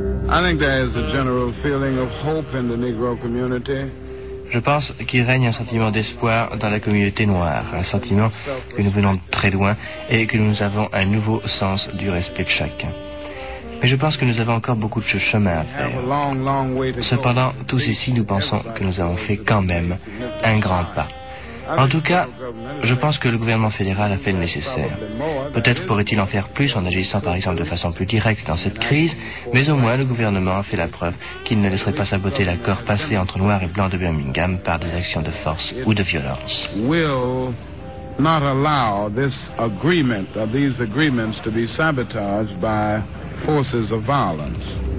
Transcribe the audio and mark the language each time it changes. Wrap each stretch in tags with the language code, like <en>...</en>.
<en>I think there is a general feeling of hope in the Negro community.</en> <fr>Je pense qu'il règne un sentiment d'espoir dans la communauté noire, un sentiment que nous venons de très loin et que nous avons un nouveau sens du respect de chacun. Mais je pense que nous avons encore beaucoup de chemin à faire. Cependant, tous ici, nous pensons que nous avons fait quand même un grand pas. En tout cas, je pense que le gouvernement fédéral a fait le nécessaire. Peut-être pourrait-il en faire plus en agissant, par exemple, de façon plus directe dans cette crise, mais au moins, le gouvernement a fait la preuve qu'il ne laisserait pas saboter l'accord passé entre Noirs et Blancs de Birmingham par des actions de force ou de violence.</fr> <en>Will not allow this agreement or these agreements to be sabotaged by forces of violence.</en>